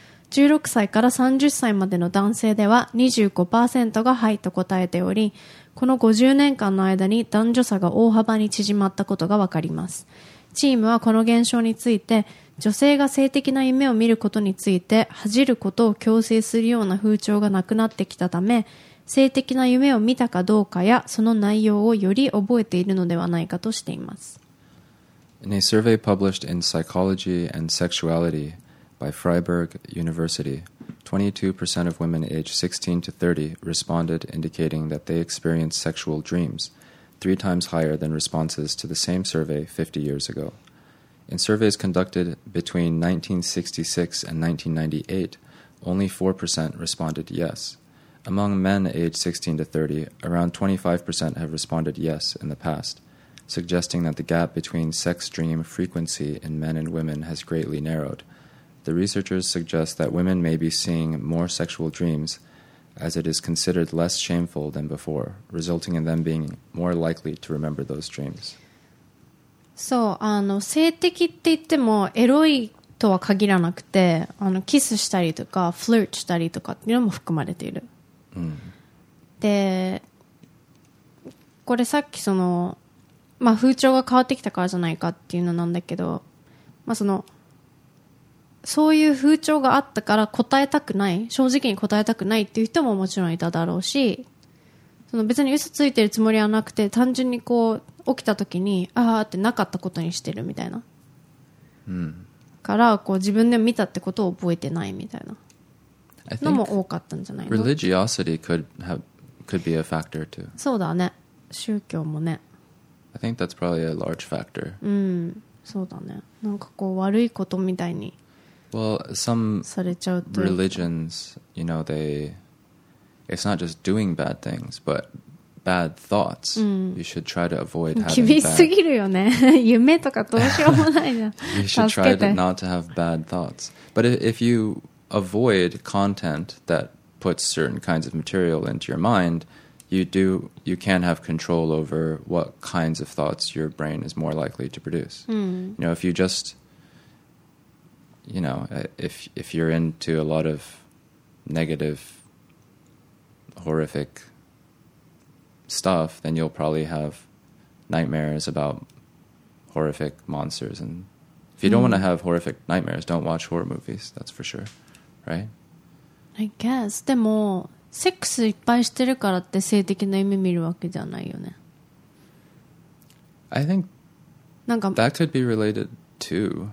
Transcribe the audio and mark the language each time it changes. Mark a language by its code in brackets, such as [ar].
[ja] 16歳から30歳までの男性では 25% がはいと答えており、この50年間の間に男女差が大幅に縮まったことがわかります。チームはこの現象について、女性が性的な夢を見ることについて恥じることを強制するような風潮がなくなってきたため、性的な夢を見たかどうかやその内容をより覚えているのではないかとしています。 [en] In a survey published in Psychology and Sexuality by Freiburg University, 22% of women aged 16 to 30 responded indicating that they experienced sexual dreams, 3 times higher than responses to the same survey 50 years ago. In surveys conducted between 1966 and 1998, only 4% responded yes. Among men aged 16 to 30, around 25% have responded yes in the past, suggesting that the gap between sex dream frequency in men and women has greatly narrowed. The researchers suggest that women may be seeing more sexual dreams as it is considered less shameful than before, resulting in them being more likely to remember those dreams. [ja] そう、性的って言ってもエロいとは限らなくて、キスしたりとかフルートしたりとかっていうのも含まれている。で、これさっきその、まあ、風潮が変わってきたからじゃないかっていうのなんだけど、まあ、そういう風潮があったから答えたくない、正直に答えたくないっていう人ももちろんいただろうし、その別に嘘ついてるつもりはなくて、単純にこう起きた時にああってなかったことにしてるみたいな、からこう自分で見たってことを覚えてないみたいなのも多かったんじゃないの。 [en] Religiosity could be a factor too. [ja] そうだね、宗教もね。 [en] I think that's probably a large factor. [ja] うん、そうだね。なんかこう悪いことみたいに。 [en] Well, some religions, you know, it's not just doing bad things, but bad thoughts. You should try to avoid having bad. [ja] 厳しすぎるよね。夢とかどうしようもないじゃん。 [en] You should try not to have bad thoughts. But if you avoid content that puts certain kinds of material into your mind, you can have control over what kinds of thoughts your brain is more likely to produce. You know, if you just, you know, if you're into a lot of negative, horrific stuff, then you'll probably have nightmares about horrific monsters. And if you don't want to have horrific nightmares, don't watch horror movies, that's for sure, right? I guess, [ja] でもセックスいっぱいしてるからって性的な夢見るわけじゃないよね。 [en] I think なんか that could be related too.